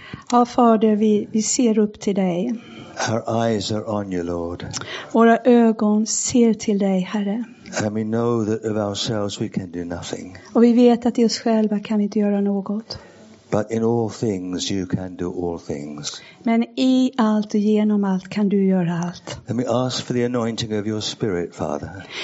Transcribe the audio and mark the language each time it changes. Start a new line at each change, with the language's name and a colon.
Swedish: Ja, Fader, vi ser upp till dig.
English: Our eyes are on you, Lord.
Swedish: Våra ögon ser till dig, Herre.
English: And we know that of ourselves we can do nothing.
Swedish: Och vi vet att i oss själva kan vi inte göra något.
English: But in all things you can do all things.
Swedish: Men i allt och genom allt kan du göra allt.
English: And we ask for the anointing of your spirit, Father.